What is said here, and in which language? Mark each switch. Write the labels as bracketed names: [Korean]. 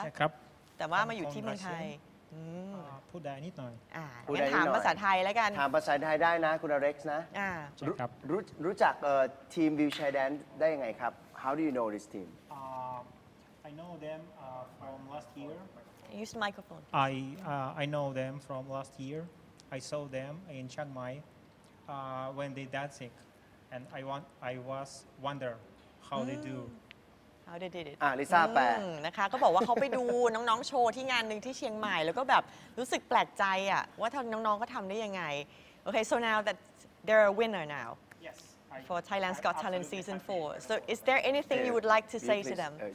[Thai] ใช่ครับ แต่ว่ามาอยู่ที่เมืองไทย พูดได้นิดหน่อย พูดได้นิดหน่อยถามภาษาไทยแล้วกัน ถามภาษาไทยได้นะคุณอเล็กซ์นะ ครับ รู้จักทีมวิวแชร์แดนซ์ได้ยังไงครับ [English] How do you know this team I know them from last year Use the microphone I know them from last year I saw them in Chiang Mai when they dancing and I was wonderHow they did it? [Thai] ลิซ่าแปล นะคะก็บอกว่าเขาไปดูน้องๆโชว์ที่งานหนึ่งที่เชียงใหม่แล้วก็แบบรู้สึกแปลกใจอ่ะว่าทั้งน้องๆก็ทำได้ยังไงโอเค [English] so now that they're a winner now yes for Thailand's Got Talent season 4 so is there anything you would like to say to them